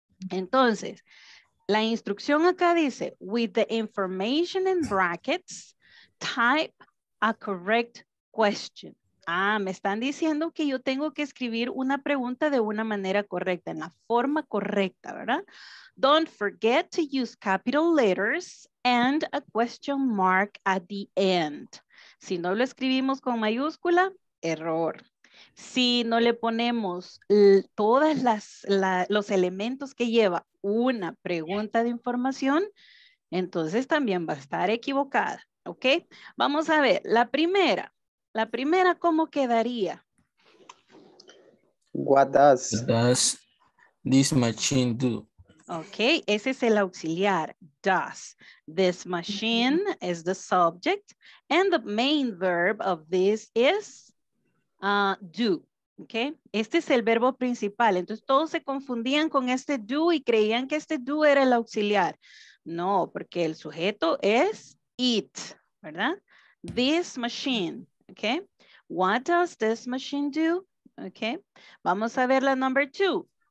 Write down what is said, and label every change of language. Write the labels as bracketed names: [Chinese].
[Spanish] Entonces, la instrucción acá dice, [English] with the information in brackets, type a correct question. [Spanish] Ah, me están diciendo que yo tengo que escribir una pregunta de una manera correcta, en la forma correcta, ¿verdad? [English] Don't forget to use capital letters and a question mark at the end. [Spanish] Si no lo escribimos con mayúscula, error. Si no le ponemos todas las los elementos que lleva una pregunta de información, entonces también va a estar equivocada, ¿ok? Vamos a ver, la primera, ¿cómo quedaría? [English] What does this machine do? [Spanish] Ok, ese es el auxiliar. [English] Does this machine is the subject and the main verb of this is do. [Spanish] Ok, este es el verbo principal. Entonces todos se confundían con este do y creían que este do era el auxiliar. No, porque el sujeto es it, ¿verdad? [English] This machine. Ok, what does this machine do? [Spanish] Ok, vamos a ver la number two.